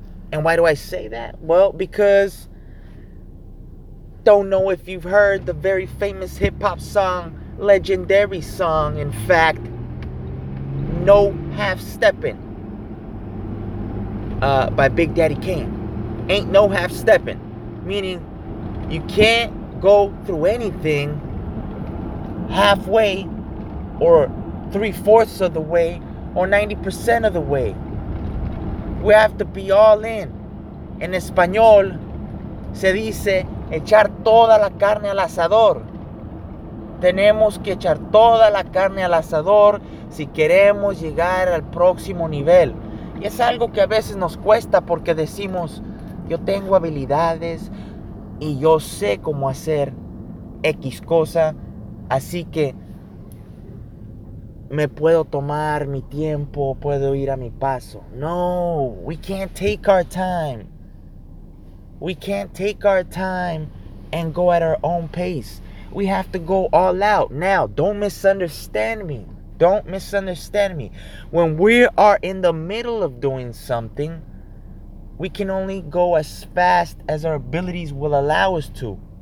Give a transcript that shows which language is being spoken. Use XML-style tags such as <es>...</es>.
<en>And why do I say that? Well, because don't know if you've heard the very famous hip-hop song, legendary song, in fact, No Half-Steppin' by Big Daddy Kane. Ain't no half-steppin', meaning you can't go through anything halfway or three-fourths of the way or 90% of the way. We have to be all in.</en> <es>En español, se dice echar toda la carne al asador. Tenemos que echar toda la carne al asador si queremos llegar al próximo nivel. Y es algo que a veces nos cuesta porque decimos, yo tengo habilidades y yo sé cómo hacer X cosa. Así que me puedo tomar mi tiempo, puedo ir a mi paso.</es> <en>No, we can't take our time. We can't take our time and go at our own pace. We have to go all out. Now, don't misunderstand me. Don't misunderstand me. When we are in the middle of doing something, we can only go as fast as our abilities will allow us to.</en>